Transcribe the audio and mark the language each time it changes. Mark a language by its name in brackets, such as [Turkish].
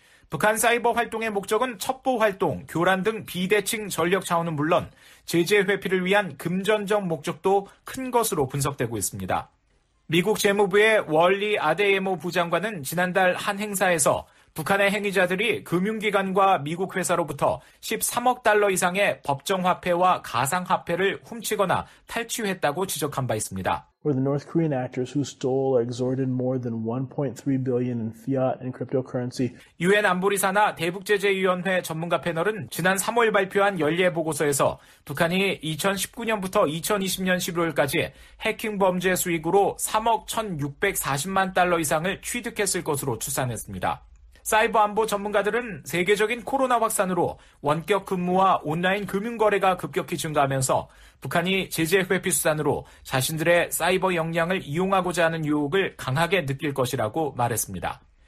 [Korean] 북한 사이버 활동의 목적은 첩보 활동, 교란 등 비대칭 전력 차원은 물론 제재 회피를 위한 금전적 목적도 큰 것으로 분석되고 있습니다. 미국 재무부의 월리 아데에모 부장관은 지난달 한 행사에서 북한의 행위자들이 금융기관과 미국 회사로부터 13억 달러 이상의 법정화폐와 가상화폐를 훔치거나 탈취했다고 지적한 바 있습니다. [English] For the North Korean actors who stole or extorted more than 1.3 billion in fiat and cryptocurrency. [Korean] 유엔 안보리사나 대북제재위원회 전문가 패널은 지난 3월 발표한 연례 보고서에서 북한이 2019년부터 2020년 11월까지 해킹 범죄 수익으로 3억 1,640만 달러 이상을 취득했을 것으로 추산했습니다. 사이버 안보 전문가들은 세계적인 코로나 확산으로 원격 근무와 온라인 금융 거래가 급격히 증가하면서 북한이 제재 회피 수단으로 자신들의 사이버 역량을 이용하고자 하는 유혹을 강하게 느낄 것이라고 말했습니다.